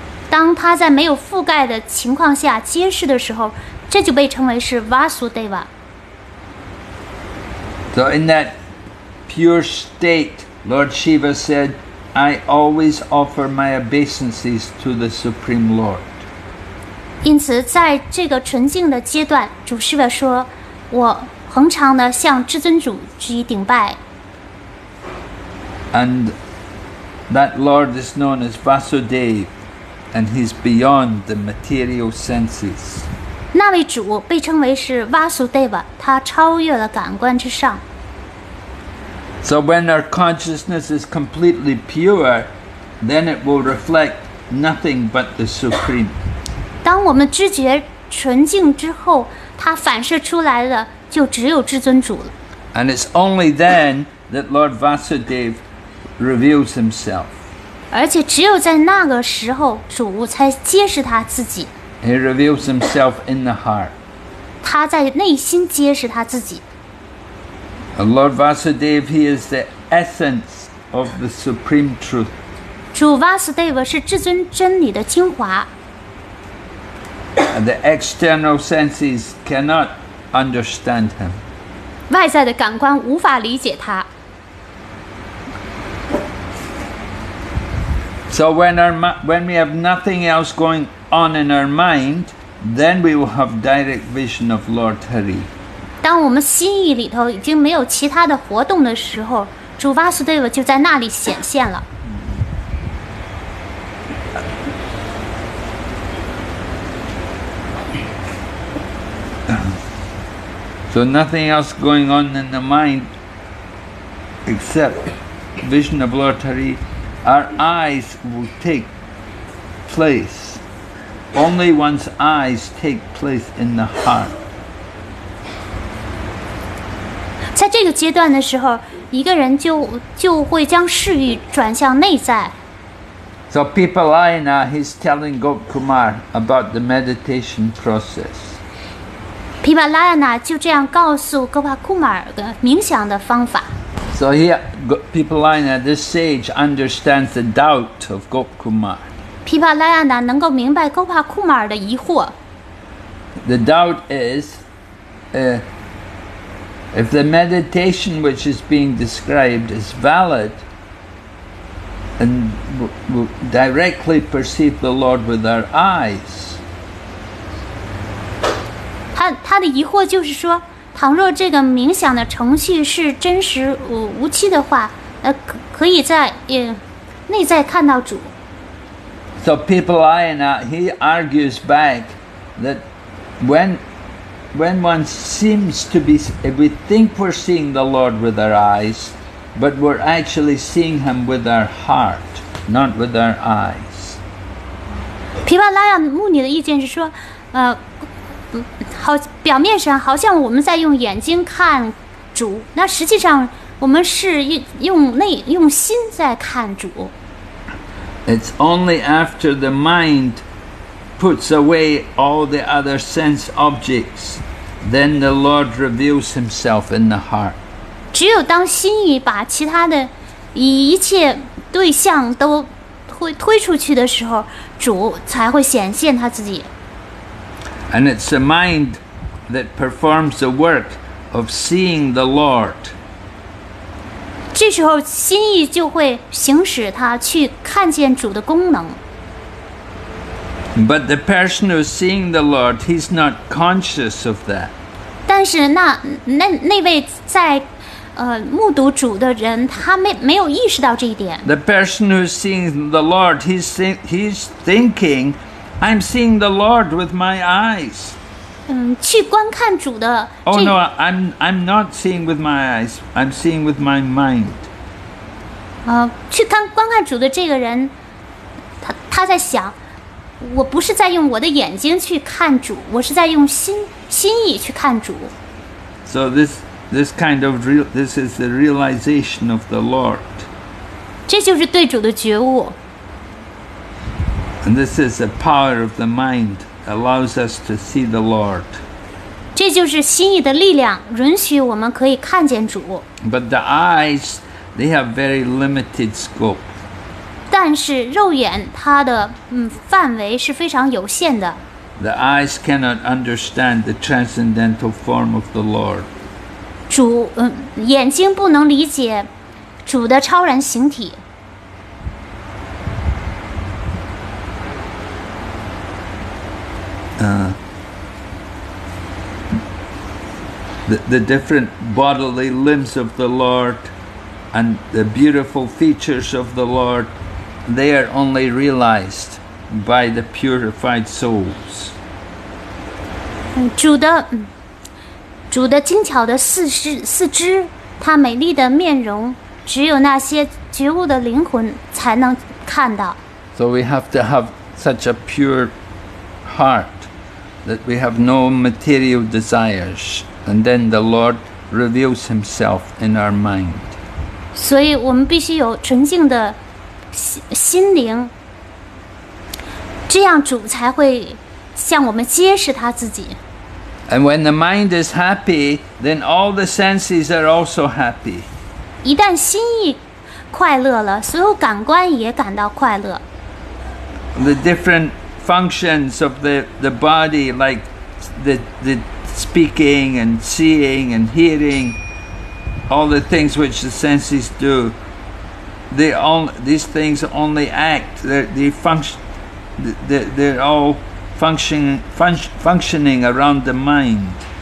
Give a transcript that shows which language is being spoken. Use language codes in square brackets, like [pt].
[zh] 当他在没有覆盖的情况下揭示的时候，这就被称为是 Vasudeva。 [en] So in that pure state, Lord Shiva said, "I always offer my obeisances to the Supreme Lord." [zh] 因此，在这个纯净的阶段，主 Shiva 说：“我恒常的向至尊主致以顶拜。” [en] And that Lord is known as Vasudeva. And he's beyond the material senses. [zh] 那位主被称为是 Vasudeva, 他超越了感官之上。 [en] So when our consciousness is completely pure, then it will reflect nothing but the Supreme. [zh] 当我们知觉纯净之后，它反射出来的就只有至尊主了。 [en] And it's only then that Lord Vasudeva reveals himself. [zh] 而且只有在那个时候，主才揭示他自己。 [en] He reveals himself in the heart. [zh] 他在内心揭示他自己。 [en] Lord Vasudeva, he is the essence of the supreme truth. [zh] 主 Vasudeva 是至尊真理的精华。 [en] The external senses cannot understand him. [zh] 外在的感官无法理解他。 [en] So when we have nothing else going on in our mind, then we will have direct vision of Lord Hari. [zh] 当我们心意里头已经没有其他的活动的时候，主 Vasudeva 就在那里显现了。 [en] So nothing else going on in the mind except vision of Lord Hari. Our eyes will take place. Only one's eyes take place in the heart. [zh] 在这个阶段的时候，一个人就会将视域转向内在。 [en] So Pipalayana, he's telling Gop Kumar about the meditation process. [zh] Pipalayana 就这样告诉 Gopa Kumar 的冥想的方法。 [en] So here, Pipalayana, this sage understands the doubt of Gop Kumar. [zh] Pipalayana 能够明白 Gopa Kumar 的疑惑。 [en] The doubt is, if the meditation which is being described is valid, and we directly perceive the Lord with our eyes. [zh] 他的疑惑就是说倘若这个冥想的程序是真实无期的话，可以在内在看到主。 [en] So Pipalayana, he argues back that when one seems to be, if we think we're seeing the Lord with our eyes, but we're actually seeing him with our heart, not with our eyes. [zh] Pipalaya 牧尼的意见是说，好，表面上好像我们在用眼睛看主，那实际上我们是用心在看主。 [en] It's only after the mind puts away all the other sense objects, then the Lord reveals himself in the heart. [zh] 只有当心意把其他的一切对象都推出去的时候，主才会显现他自己。 [en] And it's the mind that performs the work of seeing the Lord. [zh] 这时候心意就会行使它去看见主的功能。 [en] But the person who's seeing the Lord, he's not conscious of that. [zh] 但是那位在目睹主的人，他没有意识到这一点。 [en] The person who's seeing the Lord, he's thinking, I'm seeing the Lord with my eyes. [zh] 去观看主的。 [en] Oh no, I'm not seeing with my eyes. I'm seeing with my mind. [zh] 去看观看主的这个人，他在想，我不是在用我的眼睛去看主，我是在用心意去看主。 [en] So this is the realization of the Lord. [zh] 这就是对主的觉悟。 [en] And this is the power of the mind allows us to see the Lord. [zh] 这就是心意的力量，允许我们可以看见主。 [en] But the eyes, they have very limited scope. [zh] 但是肉眼它的范围是非常有限的。 [en] The eyes cannot understand the transcendental form of the Lord. [zh] 主，眼睛不能理解主的超然形体。 [en] The different bodily limbs of the Lord and the beautiful features of the Lord, they are only realized by the purified souls. [zh] 主的精巧的四肢，他美丽的面容，只有那些觉悟的灵魂才能看到。 [en] So we have to have such a pure heart. That we have no material desires, and then the Lord reveals Himself in our mind. [zh] 所以我们必须有纯净的心灵，这样主才会向我们揭示他自己。 [en] And when the mind is happy, then all the senses are also happy. [zh] 一旦心意快乐了，所有感官也感到快乐。 [en] The different functions of the body, like the speaking and seeing and hearing, all the things which the senses do, they're all functioning around the mind.